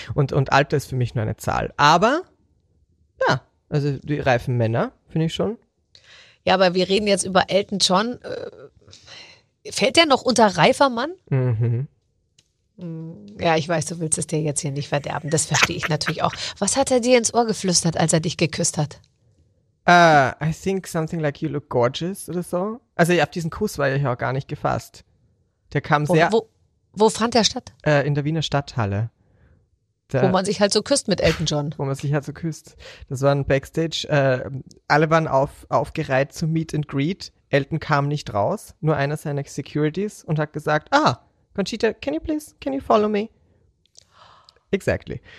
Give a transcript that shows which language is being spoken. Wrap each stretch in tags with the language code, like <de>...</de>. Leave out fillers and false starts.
<de>Und Alter ist für mich nur eine Zahl. Aber, ja, also die reifen Männer, finde ich schon. Ja, aber wir reden jetzt über Elton John. Fällt der noch unter reifer Mann? Mhm. Ja, ich weiß, du willst es dir jetzt hier nicht verderben. Das verstehe ich natürlich auch. Was hat er dir ins Ohr geflüstert, als er dich geküsst hat?</de> <en>I think something like you look gorgeous</en> <de>oder so. Also auf diesen Kuss war ich auch gar nicht gefasst. Der kam sehr... Wo fand der statt? In der Wiener Stadthalle. Wo man sich halt so küsst mit Elton John. Wo man sich halt so küsst. Das war ein Backstage. Alle waren aufgereiht zum Meet and Greet. Elton kam nicht raus. Nur einer seiner Securities und hat gesagt, Conchita,</de> <en>can you follow me? Exactly.</en>